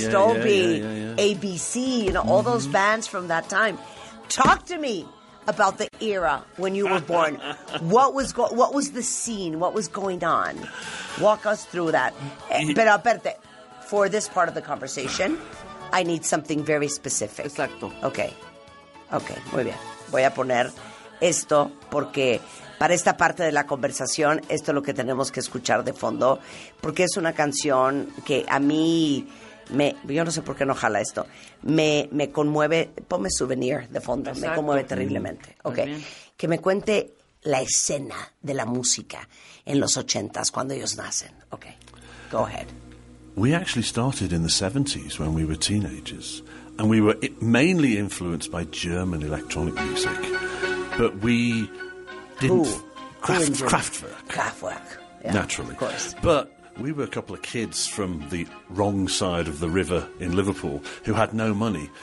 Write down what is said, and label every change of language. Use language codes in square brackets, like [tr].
[en] ABC, you know, mm-hmm. all those bands from that time. Talk to me about the era when you were born. What was the scene? What was going on? Walk us through that. [es] Pero, aperte, [en] for this part of the conversation, I need something very specific. [es] Exacto. Okay, muy bien. Voy a poner esto porque para esta parte de la conversación, esto es lo que tenemos que escuchar de fondo, porque es una canción que a mí me, yo no sé por qué no jala esto, me conmueve, ponme Souvenir de fondo. Exacto. Me conmueve terriblemente. Okay. Que me cuente la escena de la música en los 80s, cuando ellos nacen. [en] Okay, go ahead. We actually started in the 70s when we were teenagers, and we were mainly influenced by German electronic music, but we didn't. Kraftwerk. Yeah, naturally. Of course. But we were a couple of kids from the wrong side of the river in Liverpool who had no money.